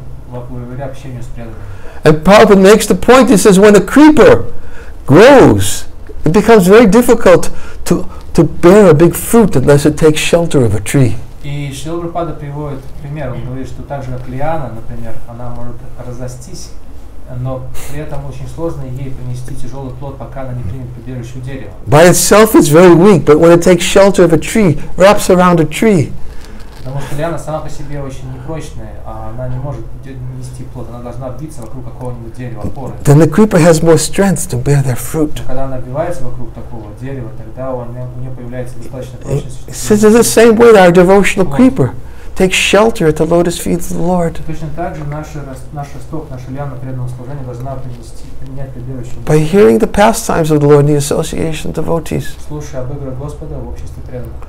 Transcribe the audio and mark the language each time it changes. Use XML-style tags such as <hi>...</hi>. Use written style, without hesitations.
<en>And Prabhupada makes the point, he says, when a creeper grows, it becomes very difficult to bear a big fruit unless it takes shelter of a tree.</en> <ru>И Шрила Прабхупада приводит пример, он говорит, что также лиана, например, она может разрастись, но при этом очень сложно ей принести тяжелый плод, пока она не примет прибежище у дерева.</ru> <en>By itself it's very weak, but when it takes shelter of a tree, wraps around a tree.</en> <ru>Потому что лиана сама по себе очень непрочная, а она не может нести плод, она должна обвиться вокруг какого-нибудь дерева, опоры.</ru> <en>Then the creeper has more strength to bear their fruit.</en> <ru>Когда она обвивается вокруг такого дерева, тогда у нее появляется достаточно прочность.</ru> <en>Since it's the same way our devotional creeper takes shelter at the lotus feet of the Lord.</en> <ru>Точно так же наш росток, наша лиана преданного служения должна принести, принять прибежище.</ru> <en>By hearing the pastimes of the Lord in the association of devotees.</en> <ru>Слушая об играх Господа в обществе преданных.</ru>